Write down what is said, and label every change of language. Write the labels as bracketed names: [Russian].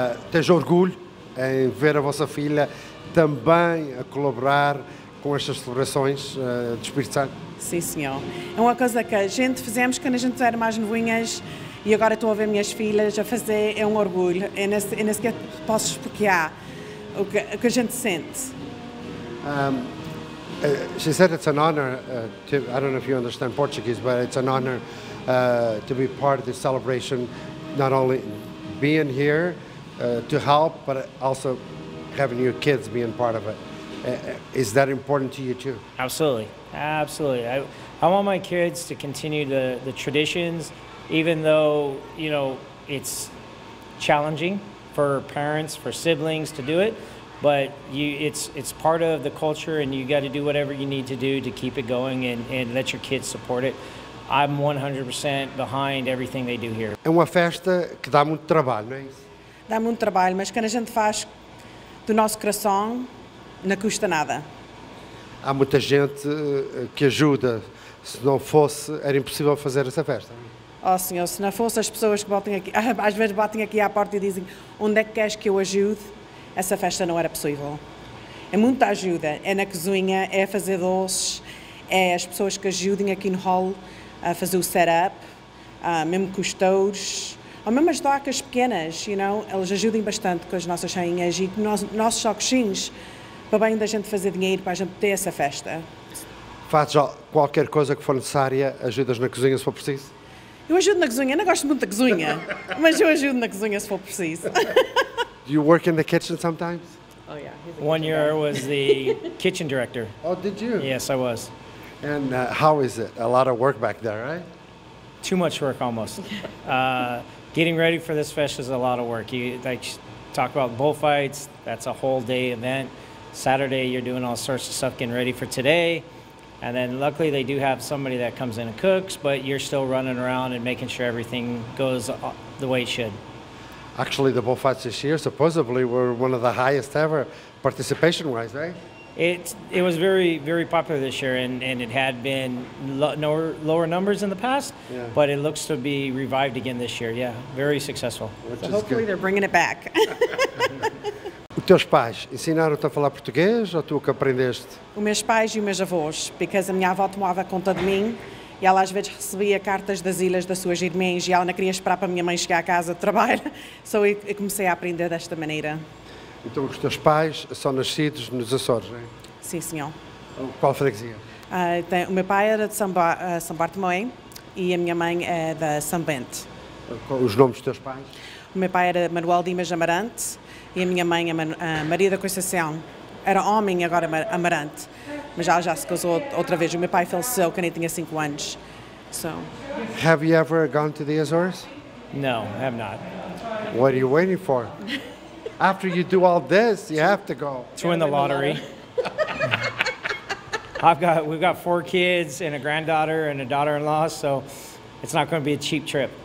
[Portuguese] Tens orgulho em ver a vossa filha também a colaborar com estas celebrações do Espírito Santo? Sim, senhor. É uma coisa que a gente fizemos quando a gente era mais novinhas. E agora estou a ver minhas filhas a fazer, é um orgulho. É nesse que eu posso explicar o que a gente sente. [English] She said it's an honor to, I don't know if you understand Portuguese, but it's an honor to be part of this celebration, not only being here to help, but also having your kids being part of it. Is that important to you too? Absolutely. Absolutely. I want my kids to continue the traditions. Even though, you know, it's challenging for parents, for siblings to do it, but it's part of the culture, and you got to do whatever you need to do to keep it going and let your kids support it. I'm 100% behind everything they do here. [Portuguese] É uma festa que dá muito trabalho, não é isso? Dá muito trabalho, mas quando a gente faz do nosso coração, não custa nada. Há muita gente que ajuda. Se não fosse, era impossível fazer essa festa. Oh, senhor, se não fosse as pessoas que botem aqui, às vezes botem aqui à porta e dizem onde é que queres que eu ajude, essa festa não era possível. É muita ajuda, é na cozinha, é fazer doces, é as pessoas que ajudem aqui no hall a fazer o setup, mesmo com os touros, ou mesmo as docas pequenas, [English] you know, [Portuguese] elas ajudem bastante com as nossas rainhas e com os nossos socochinhos, para bem da gente fazer dinheiro, para a gente ter essa festa. Fazes qualquer coisa que for necessária, ajudas na cozinha se for preciso? Eu ajudo na cozinha, eu não gosto muito da cozinha, mas eu ajudo na cozinha se for preciso. [English] Do you work in the kitchen sometimes? Oh yeah. One year I was the kitchen director. Oh, did you? Yes, I was. And how is it? A lot of work back there, right? Too much work almost. Getting ready for this fest is a lot of work. You like talk about bullfights, that's a whole day event. Saturday you're doing all sorts of stuff getting ready for today. And then luckily they do have somebody that comes in and cooks, but you're still running around and making sure everything goes the way it should. Actually, the bullfights this year supposedly were one of the highest ever participation-wise, right? It was very, very popular this year, and it had been lower numbers in the past, yeah. But it looks to be revived again this year. Yeah, very successful. So hopefully they're bringing it back. [Portuguese] Os teus pais ensinaram-te a falar português ou tu que aprendeste? Os meus pais e os meus avós, porque a minha avó tomava conta de mim e ela às vezes recebia cartas das ilhas das suas irmãs e ela não queria esperar para a minha mãe chegar a casa de trabalho, então eu comecei a aprender desta maneira. Então os teus pais são nascidos nos Açores, não é? Sim, senhor. Qual freguesia? O meu pai era de São Bartomeu e a minha mãe é da São Bento. Os nomes dos teus pais? O meu pai era Manuel Dimas Amarante e a minha mãe, a Maria da Conceição, era homem e agora Amarante, mas ela já se casou outra vez. O meu pai faleceu quando eu tinha 5 anos. [English] So. Have you ever gone to the Azores? No, I have not. What are you waiting for? After you do all this, you have to go. To win the lottery. We've got 4 kids and a granddaughter and a daughter-in-law, so it's not going to be a cheap trip.